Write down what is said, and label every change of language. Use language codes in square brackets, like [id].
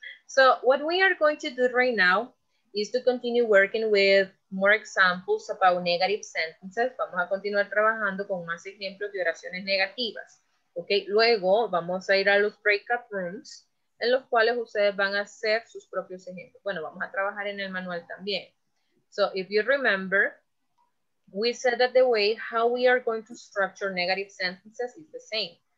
[en] So what we are going to do right now is to continue working with more examples about negative sentences. [es] Vamos a continuar trabajando con más ejemplos de oraciones negativas. Okay, luego vamos a ir a los breakout rooms en los cuales ustedes van a hacer sus propios ejemplos. Bueno, vamos a trabajar en el manual también. [en] So if you remember, we said that the way how we are going to structure negative sentences is the same.